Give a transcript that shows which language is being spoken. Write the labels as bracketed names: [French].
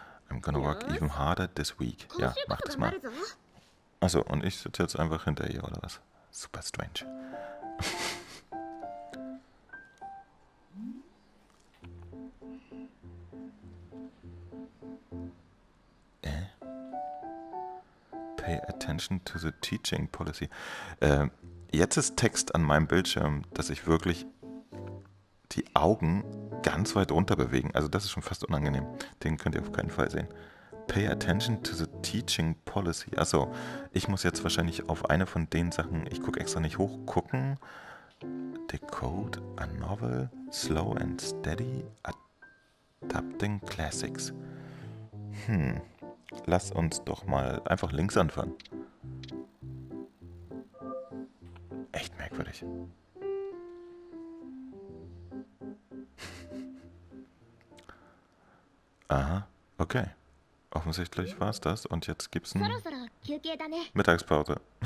[English] I'm gonna work even harder this week. [German] Ja, mach das mal. Achso, und ich sitze jetzt einfach hinter ihr, oder was? [English] Super strange. pay attention to the teaching policy. [German] Jetzt ist Text an meinem Bildschirm, dass ich wirklich die Augen ganz weit runter bewegen. Also das ist schon fast unangenehm. Den könnt ihr auf keinen Fall sehen. [English] Pay attention to the teaching policy. [German] Achso, ich muss jetzt wahrscheinlich auf eine von den Sachen, ich gucke extra nicht hoch, gucken. [English] Decode a novel, slow and steady, adapting classics. [German] Lass uns doch mal einfach links anfangen. Echt merkwürdig. Aha, okay. Offensichtlich war es das und jetzt gibt's eine Mittagspause.